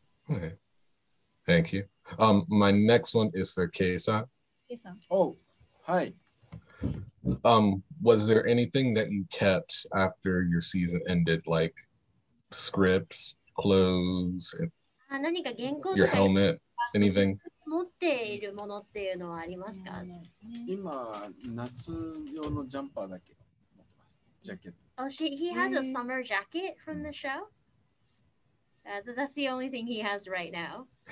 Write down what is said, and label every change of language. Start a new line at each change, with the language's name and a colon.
English: Okay. Thank you. My next one is for Kei-san. Oh, hi. Was there anything that you kept after your season ended, like scripts, clothes, your helmet, anything?
Japanese: 持っているものっていうのはありますか? 今夏用のジャンパーだけ。
English: Jacket. Oh, he has a summer jacket from the show. That's the only thing he has right now.